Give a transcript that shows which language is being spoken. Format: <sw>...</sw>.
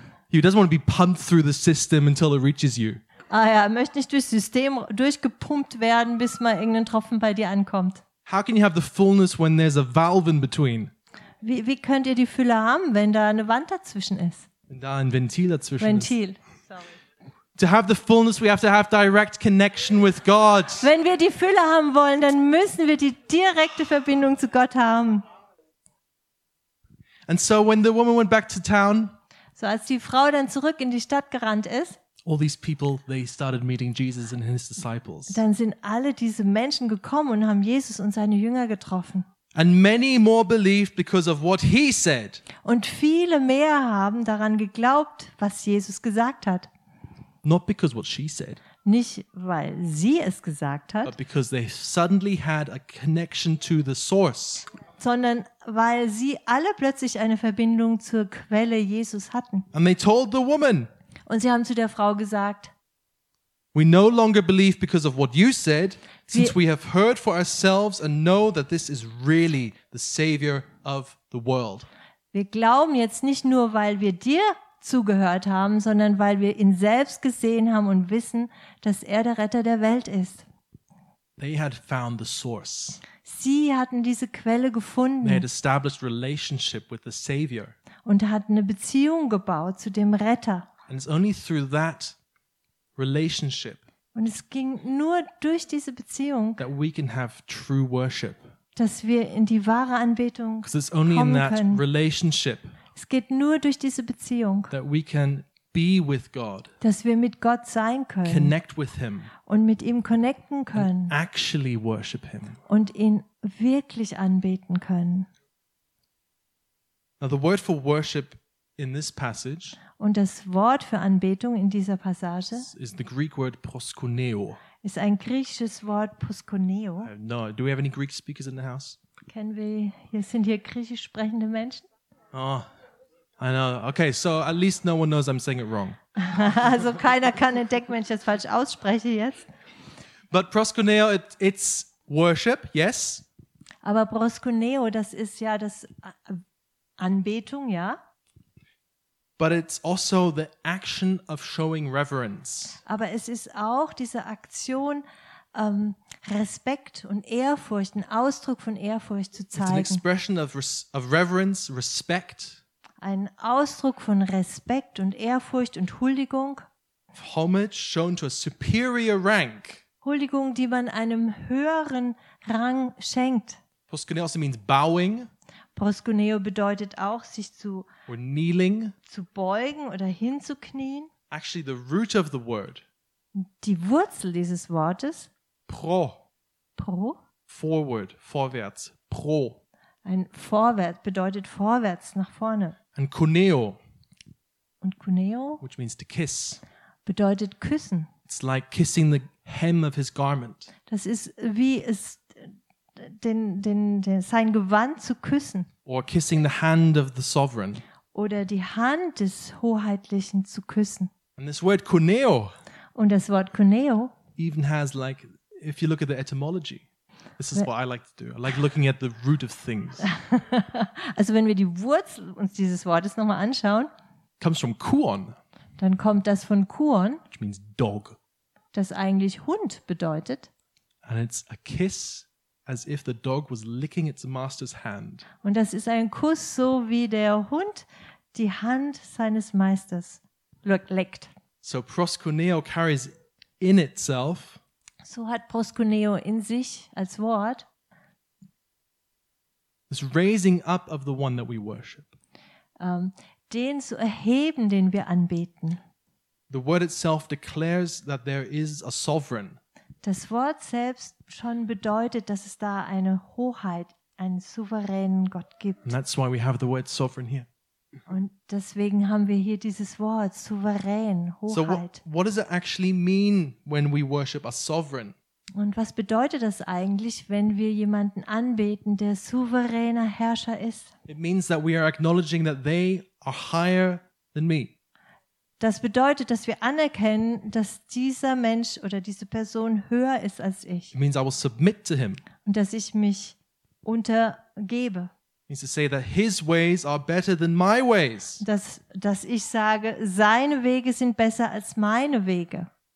<en>He doesn't want to be pumped through the system until it reaches you.</en> <de>Ah ja, er möchte nicht durchs System durchgepumpt werden, bis mal irgendein Tropfen bei dir ankommt.</de> <en>How can you have the fullness when there's a valve in between?</en> <de>Wie könnt ihr die Fülle haben, wenn da eine Wand dazwischen ist? Wenn da ein Ventil dazwischen Ventil. Ist. Sorry.</de> <en>To have the fullness, we have to have direct connection with God.</en> <de>Wenn wir die Fülle haben wollen, dann müssen wir die direkte Verbindung zu Gott haben.</de> <en>And so when the woman went back to town,</en> <de>So als die Frau dann zurück in die Stadt gerannt ist,</de> <en>all these people, they started meeting Jesus and his disciples.</en> <de>Dann sind alle diese Menschen gekommen und haben Jesus und seine Jünger getroffen.</de> <en>And many more believed because of what he said.</en> <de>Und viele mehr haben daran geglaubt, was Jesus gesagt hat.</de> <en>Not because what she said.</en> <de>Nicht weil sie es gesagt hat.</de> <en>But because they suddenly had a connection to the source.</en> <de>Sondern weil sie alle plötzlich eine Verbindung zur Quelle Jesus hatten.</de> <en>And they told the woman.</en> <de>Und sie haben zu der Frau gesagt,</de> <en>we no longer believe because of what you said, since we have heard for ourselves and know that this is really the savior of the world.</en> <de>Wir glauben jetzt nicht nur, weil wir dir zugehört haben, sondern weil wir ihn selbst gesehen haben und wissen, dass er der Retter der Welt ist.</de> <en>They had found the source.</en> <de>Sie hatten diese Quelle gefunden.</de> <en>They had established relationship with the savior.</en> <de>Und hatten eine Beziehung gebaut zu dem Retter.</de> <en>And it's only through that relationship.</en> <de>Und es ging nur durch diese Beziehung,</de> <en>that we can have true worship.</en> <de>Dass wir in die wahre Anbetung kommen können.</de> <en>Because it's only in that relationship.</en> <de>Es geht nur durch diese Beziehung,</de> <en>that we can be with God.</en> <de>Dass wir mit Gott sein können.</de> <en>Connect with him.</en> <de>Und mit ihm connecten können.</de> <en>And actually worship him.</en> <de>Und ihn wirklich anbeten können.</de> <en>Now the word for worship in this passage.</en> <de>Und das Wort für Anbetung in dieser Passage</de> <en>is the Greek word proskuneo.</en> <de>Ist ein griechisches Wort proskuneo.</de> <en>No, do we have any Greek speakers in the house?</en> <de>Kennen wir, hier sind hier griechisch sprechende Menschen?</de> <en>Oh, I know. Okay, so at least no one knows I'm saying it wrong.</en> <de>Also keiner kann entdecken, wenn ich das falsch ausspreche jetzt.</de> <en>But proskuneo, it's worship, yes?</en> <de>Aber proskuneo, das ist ja das Anbetung, ja?</de> <en>But it's also the action of showing reverence.</en> <de>Aber es ist auch diese Aktion, Respekt und Ehrfurcht, einen Ausdruck von Ehrfurcht zu zeigen.</de> <en>It's an expression of reverence, respect.</en> <de>Ein Ausdruck von Respekt und Ehrfurcht und Huldigung.</de> <en>Homage shown to a superior rank.</en> <de>Huldigung, die man einem höheren Rang schenkt.</de> <en>Proskuneo also means bowing.</en> <de>Proskuneo bedeutet auch, sich zu</de> <en>or kneeling,</en> <de>zu beugen oder hinzuknien.</de> <en>Actually, the root of the word.</en> <de>Die Wurzel dieses Wortes.</de> <en>Pro.</en> <de>Pro.</de> <en>Forward,</en> <de>vorwärts.</de> <en>Pro.</en> <de>Ein Vorwärts bedeutet vorwärts, nach vorne.</de> <en>And kuneo.</en> <de>Und kuneo.</de> <en>Which means to kiss.</en> <de>Bedeutet küssen.</de> <en>It's like kissing the hem of his garment.</en> <de>Das ist wie es den sein Gewand zu küssen.</de> <en>Or kissing the hand of the sovereign.</en> <de>Oder die Hand des Hoheitlichen zu küssen.</de> <en>And this word kuneo.</en> <de>Und das Wort kuneo.</de> <en>Even has like, if you look at the etymology. This is what I like to do. I like looking at the root of things.</en> <de>Also wenn wir die Wurzel uns dieses Wortes nochmal anschauen.</de> <en>Comes from kuon.</en> <de>Dann kommt das von kuon.</de> <en>Which means dog.</en> <de>Das eigentlich Hund bedeutet.</de> <en>And it's a kiss. As if the dog was licking its master's hand.</en> <de>Und das ist ein Kuss, so wie der Hund die Hand seines Meisters leckt.</de> <en>So proskuneo carries in itself.</en> <de>So hat proskuneo in sich als Wort.</de> <en>This raising up of the one that we worship.</en> <de>Den zu erheben, den wir anbeten.</de> <en>The word itself declares that there is a sovereign.</en> <de>Das Wort selbst schon bedeutet, dass es da eine Hoheit, einen souveränen Gott gibt.</de> <en>And that's why we have the word sovereign here.</en> <de>Und deswegen haben wir hier dieses Wort, souverän, Hoheit.</de> <en>So what does it actually mean when we worship a sovereign?</en> <de>Und was bedeutet das eigentlich, wenn wir jemanden anbeten, der souveräner Herrscher ist?</de> <en>It means that we are acknowledging that they are higher than me.</en> <de>Das bedeutet, dass wir anerkennen, dass dieser Mensch oder diese Person höher ist als ich.</de> <en>It means I will submit to him.</en> <de>Und dass ich mich untergebe.</de> <en>It means to say that his ways are better than my ways.</en> <de>Dass ich sage, seine Wege sind besser als meine Wege.</de>